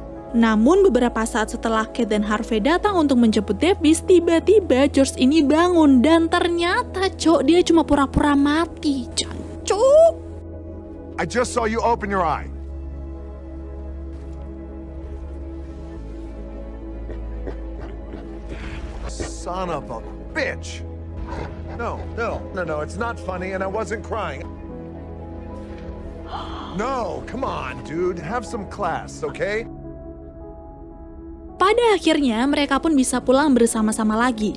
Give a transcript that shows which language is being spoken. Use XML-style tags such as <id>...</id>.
<id>Namun beberapa saat setelah Kate dan Harvey datang untuk menjemput Davis, tiba-tiba George ini bangun dan ternyata, cok, dia cuma pura-pura mati, cok.</id> <en>I just saw you open your eye. Son of a bitch. No, it's not funny and I wasn't crying. No, come on, dude, have some class, okay?</en> <id>Pada akhirnya, mereka pun bisa pulang bersama-sama lagi.</id>